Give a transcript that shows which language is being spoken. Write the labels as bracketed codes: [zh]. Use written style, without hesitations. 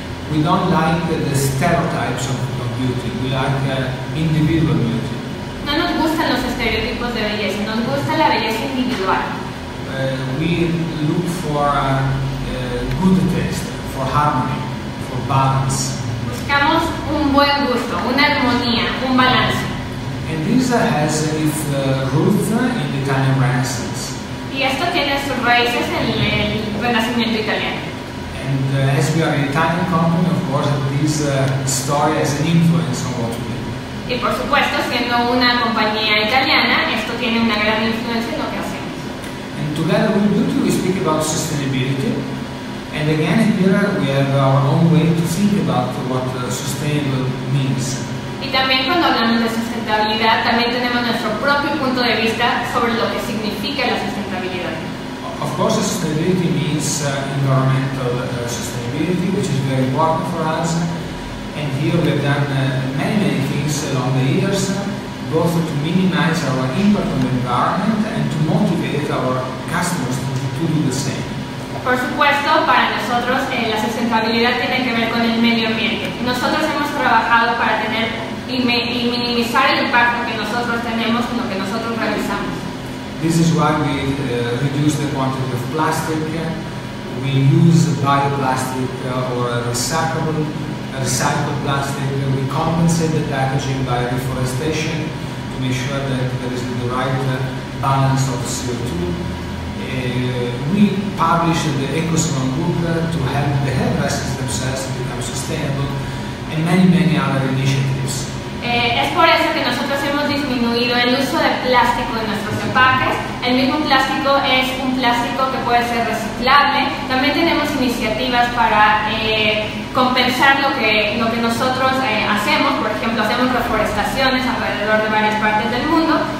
[en] We don't like the stereotypes of beauty. We like individual beauty. [es] No nos gustan los estereotipos de belleza. Nos gusta la belleza individual. [en] We look for good taste, for harmony. Balance. [es] Buscamos un buen gusto, una armonía, un balance. [en] And this has its roots in the Italian Renaissance. [es] Y esto tiene sus raíces en el Renacimiento italiano. [en] And as we are an Italian company, of course, this story has an influence on what we do. [es] Y por supuesto, siendo una compañía italiana, esto tiene una gran influencia en lo que hacemos. [en] And together with beauty, we speak about sustainability. And again, here we have our own way to think about what sustainable means. [es] Y también cuando hablamos de sustentabilidad, también tenemos nuestro propio punto de vista sobre lo que significa la sustentabilidad. [en] Of course, sustainability means environmental sustainability, which is very important for us. And here we have done many things along the years, both to minimize our impact on the environment and to motivate our customers to do the same. [es] Por supuesto, para nosotros la sustentabilidad tiene que ver con el medio ambiente. Nosotros hemos trabajado para tener y minimizar el impacto que nosotros tenemos con lo que nosotros realizamos. [en] This is why we reduce the quantity of plastic. We use bioplastic or recycled plastic. We compensate the packaging by reforestation to make sure that there is the right balance of CO2. We published the EcoSmart book to help the hairdressers themselves to become sustainable, and many other initiatives. [es] Es por eso que nosotros hemos disminuido el uso de plástico en nuestros empaques. El mismo plástico es un plástico que puede ser reciclable. También tenemos iniciativas para compensar lo que nosotros hacemos. Por ejemplo, hacemos reforestaciones alrededor de varias partes del mundo.